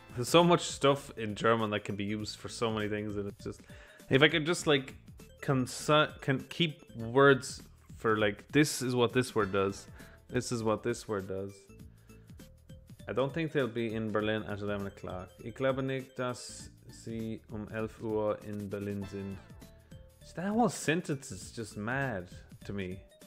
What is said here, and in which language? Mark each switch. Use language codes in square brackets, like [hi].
[en] There's so much stuff in German that can be used for so many things, and it's just, if I could just like can keep words for like, this is what this word does, this is what this word does. I don't think they'll be in Berlin at 11 o'clock. [de] Ich glaube nicht, dass sie 11 Uhr in Berlin sind. [en] That whole sentence is just mad to me.